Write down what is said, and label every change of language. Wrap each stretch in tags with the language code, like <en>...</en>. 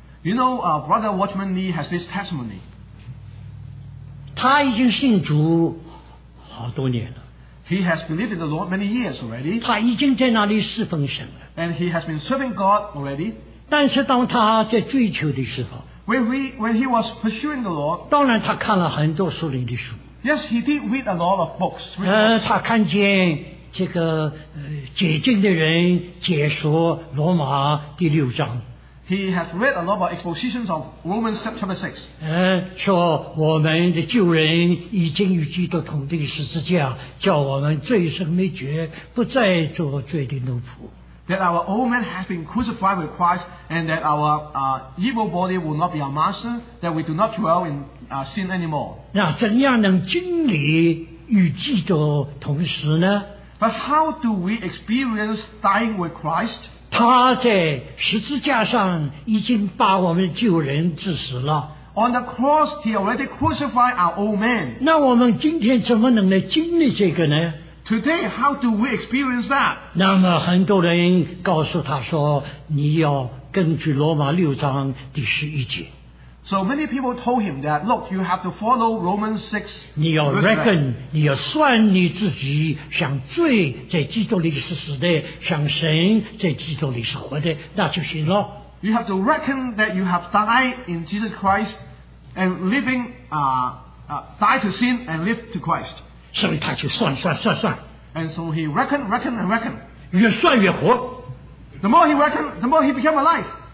<en>You know, Brother Watchman Nee has this testimony.</en> <zh>他已经信主好多年了。</zh> <en>He has believed in the Lord many years already.</en> <zh>他已经在那里侍奉神了。</zh> <en>And he has been serving God already.</en> <zh>但是当他在追求的时候。</zh> <en>When he was pursuing the Lord.</en> <zh>当然他看了很多属灵的书。</zh> <en>Yes, he did read a lot of books.</en> <zh>他看见这个解经的人解说罗马第六章。</zh> <en>He has read a lot of expositions of Romans chapter 6.</en> <zh>说我们的旧人已经与基督同钉十字架，叫我们罪生灭绝，不再做罪的奴仆。</zh> <en>That our old man has been crucified with Christ, and that our evil body will not be our master, that we do not dwell in sin anymore.</en> <zh>那怎样能经历与基督同时呢？</zh> <en>But how do we experience dying with Christ?</en> <zh>他在十字架上已经把我们旧人致死了。</zh> <en>On the cross, he already crucified our old man.</en> <zh>那我们今天怎么能来经历这个呢？</zh> <en>Today, how do we experience that?</en> <zh>那么很多人告诉他说，你要根据罗马六章第十一节。</zh> <en>So many people told him that, look, you have to follow Romans 6.</en> <zh>你要 reckon, 你要算你自己像罪在基督里是死的，像神在基督里是活的，那就行了。</zh> <en>You have to reckon that you have died in Jesus Christ and living, died to sin and lived to Christ.</en> <zh>所以他就算算算算。</zh> <en>And so he reckon and reckon.</en> <zh>越算越活。</zh> <en>The more he reckon, the more he became alive.</en>